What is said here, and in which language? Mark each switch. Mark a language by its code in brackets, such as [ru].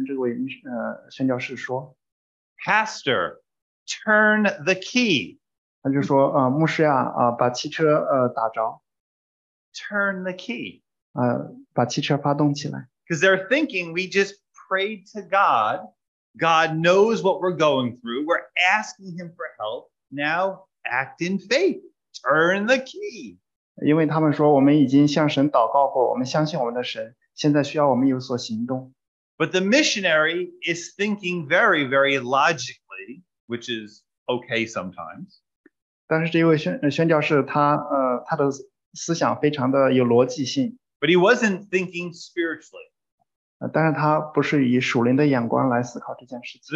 [zh] 所以有一位年轻的助手就把他的头伸到汽车里，然后跟这位宣教士说, [en] Pastor, turn the key. [zh] 他就说，牧师呀，把汽车打着。 [en] Turn the key. [zh] 把汽车发动起来。 [en] Because they're thinking, we just prayed to God. God knows what we're going through. We're asking him for help. Now act in faith. Turn the key. [zh] 因为他们说，我们已经向神祷告过，我们相信我们的神，现在需要我们有所行动。 [en] But the missionary is thinking very, very logically, which is okay sometimes. [zh] 但是这位宣教士他的 思想非常的有逻辑性, [en] but he wasn't thinking spiritually. [zh] 但是他不是以属灵的眼光来思考这件事情。